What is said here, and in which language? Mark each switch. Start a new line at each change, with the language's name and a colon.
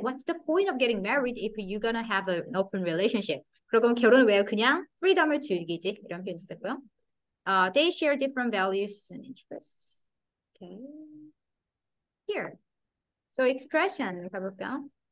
English: What's the point of getting married if you're gonna have an open relationship?
Korean: 그럼 결혼을 왜 그냥 프리덤을 즐기지? 이런 표현이 있었고요.
English: They share different values and interests. Okay. Here. So expression
Korean: 가볼까요?